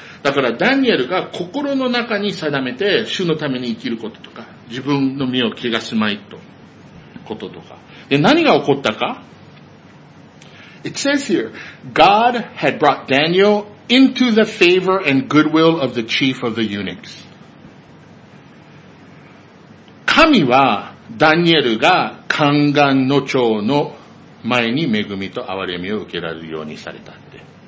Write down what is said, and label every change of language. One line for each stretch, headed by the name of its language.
Japanese: だからダニエルが心の中に定めて主のために生きることとか、自分の身を汚すまいと、こととか。で、何が起こったか？
English: It says here, God had brought Daniel into the favor and goodwill of the chief of the eunuchs.
Japanese: 神はダニエルが宦官の長の前に恵みと憐れみを受けられるようにされたって。